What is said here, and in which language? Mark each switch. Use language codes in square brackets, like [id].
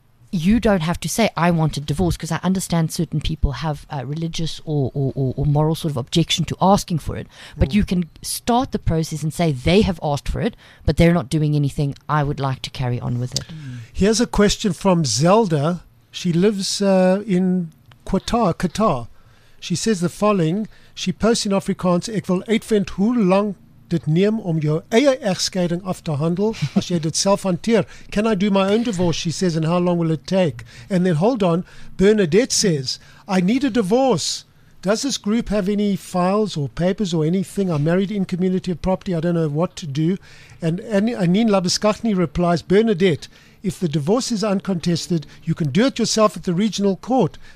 [en] You don't have to say, I want a divorce, because I understand certain people have a religious or moral sort of objection to asking for it. But you can start the process and say, they have asked for it, but they're not doing anything. I would like to carry on with it. Here's a question from Zelda. She lives in Qatar. She says the following. She posts in Afrikaans, [af] Ek wil uitvind hoe lang dit neem om jou eie egskeiding af te handel as jy dit self hanteer. [en] Can I do my own divorce, she says, and how long will it take? And then, hold on, Bernadette says, I need a divorce. Does this group have any files or papers or anything? I'm married in community of property. I don't know what to do. And Anine Labuschagne replies, Bernadette, if the divorce is uncontested, you can do it yourself at the regional court.